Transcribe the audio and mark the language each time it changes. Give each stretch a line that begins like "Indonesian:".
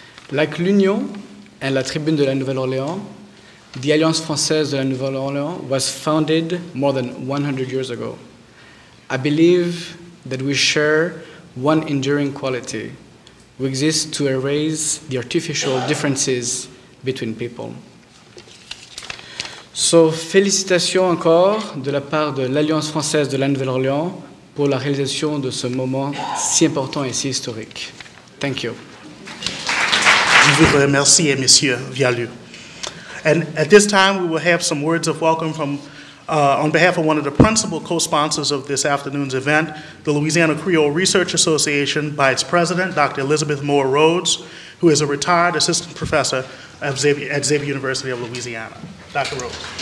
English: Like L'Union and La Tribune de la Nouvelle Orléans, the Alliance Française de la Nouvelle Orléans was founded more than 100 years ago. I believe that we share one enduring quality. We exist to erase the artificial differences between people.
French: So, félicitations encore de la part de l'Alliance Française de la Nouvelle-Orléans pour la réalisation de ce moment si important et si historique.
English: Thank you.
French: Je vous remercie, Monsieur Vialou.
English: And at this time, we will have some words of welcome from on behalf of one of the principal co-sponsors of this afternoon's event, the Louisiana Creole Research Association, by its president, Dr. Elizabeth Moore Rhodes, who is a retired assistant professor at Xavier University of Louisiana. Dr. Rhodes.